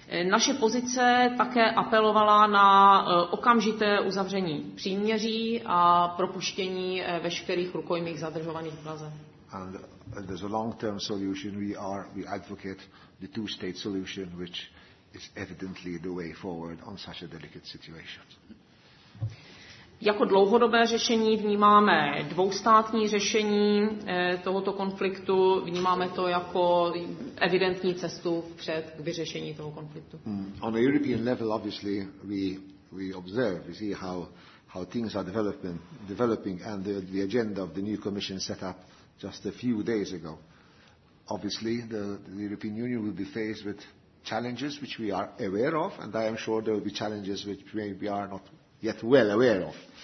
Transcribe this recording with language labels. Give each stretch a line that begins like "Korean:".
Czech: Naše pozice také apelovala na okamžité uzavření příměří a propuštění veškerých rukojmích zadržovaných v Gaze.
English: And there's a long-term solution. We advocate the two-state solution, which is evidently the way forward on such a delicate situation.
Czech: Jako dlouhodobé řešení vnímáme dvoustátní řešení tohoto konfliktu, vnímáme to jako evidentní cestu vpřed k vyřešení toho konfliktu.
English: On a European level obviously we observe, we see how things are developing and the agenda of the new commission set up just a few days ago. Obviously the European Union will be faced with challenges which we are aware of, and I am sure there will be challenges which we are not yet well aware of.